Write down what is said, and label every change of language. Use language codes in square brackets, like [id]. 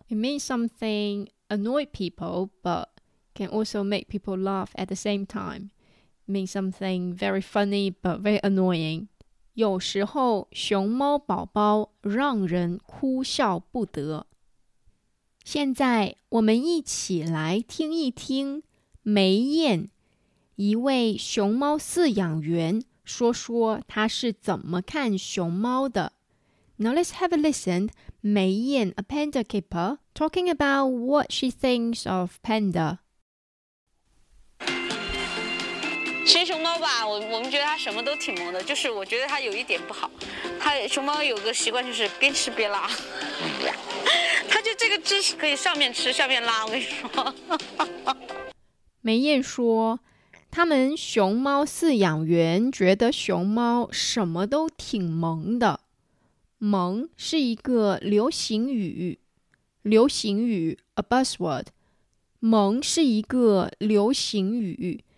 [en] It means something annoy people, but can also make people laugh at the same time. Mean something very funny but very annoying. [zh] 有时候熊猫宝宝让人哭笑不得。现在我们一起来听一听梅燕，一位熊猫饲养员，说说她是怎么看熊猫的。 [en] Now let's have a listen. 梅燕 a panda keeper, talking about what she thinks of panda. [zh] 新熊猫吧，我们觉得它什么都挺萌的，就是我觉得它有一点不好，它熊猫有个习惯就是边吃边拉，它就这个姿势可以上面吃下面拉，我跟你说。梅燕说，他们熊猫饲养员觉得熊猫什么都挺萌的，萌是一个流行语，流行语 [en] a buzzword， [zh] 萌是一个流行语。